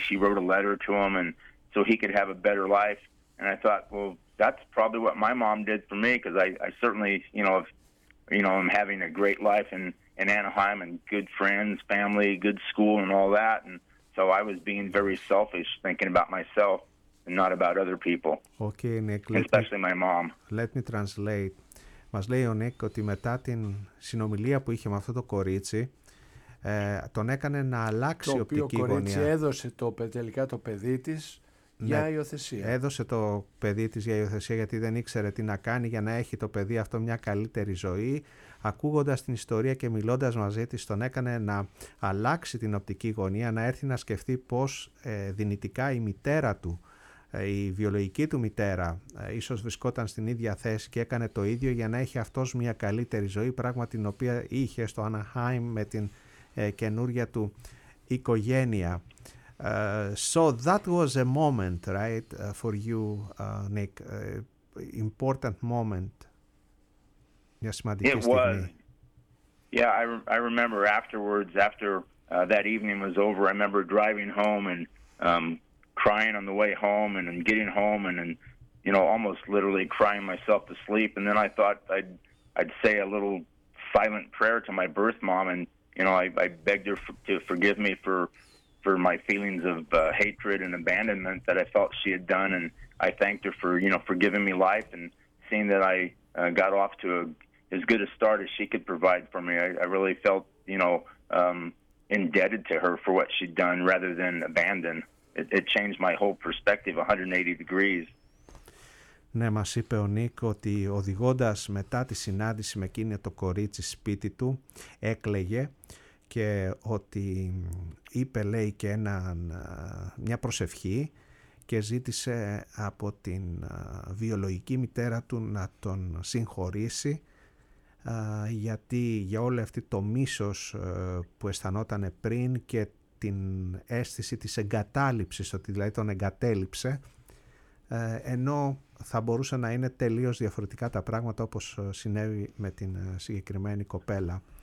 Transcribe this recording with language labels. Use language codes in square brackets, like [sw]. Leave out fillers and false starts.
[en] She wrote a letter to him and so he could have a better life. And I thought, well, that's probably what my mom did for me, because I certainly, I'm having a great life in Anaheim and good friends, family, good school and all that. And so I was being very selfish, thinking about myself and not about other people. Okay, Nick. Especially my mom. Let me translate. [el] Μας λέει ο Νίκ ότι μετά την συνομιλία που είχε με αυτό το κορίτσι, τον έκανε να αλλάξει οπτική γωνία. Το οποίο κορίτσι έδωσε τελικά το παιδί της. Για υιοθεσία. Έδωσε το παιδί της για υιοθεσία γιατί δεν ήξερε τι να κάνει για να έχει το παιδί αυτό μια καλύτερη ζωή. Ακούγοντας την ιστορία και μιλώντας μαζί της, τον έκανε να αλλάξει την οπτική γωνία, να έρθει να σκεφτεί πως δυνητικά η μητέρα του, η βιολογική του μητέρα, ίσως βρισκόταν στην ίδια θέση και έκανε το ίδιο για να έχει αυτός μια καλύτερη ζωή, πράγμα την οποία είχε στο Anaheim με την καινούρια του οικογένεια. [en] So that was a moment, right, for you, Nick, important moment. It was. Yeah, I remember afterwards, after that evening was over, I remember driving home and crying on the way home and getting home and you know, almost literally crying myself to sleep. And then I thought I'd say a little silent prayer to my birth mom and, you know, I begged her to forgive me for my feelings of hatred and abandonment that I felt she had done, and I thanked her for, you know, for giving me life and seeing that I got off to as good a start as she could provide for me. I really felt, you know, indebted to her for what she'd done rather than abandoned. It changed my whole perspective 180 degrees. [el] Ναι, μας είπε ο Νίκ ότι οδηγώντας μετά τη συνάντηση με εκείνη το κορίτσι σπίτι του, έκλαιγε και ότι είπε, λέει, και μια προσευχή και ζήτησε από την βιολογική μητέρα του να τον συγχωρήσει, γιατί για όλο αυτό το μίσος που αισθανόταν πριν και την αίσθηση της εγκατάληψης, ότι δηλαδή τον εγκατέλειψε, ενώ θα μπορούσε να είναι τελείως διαφορετικά τα πράγματα, όπως συνέβη με την συγκεκριμένη κοπέλα.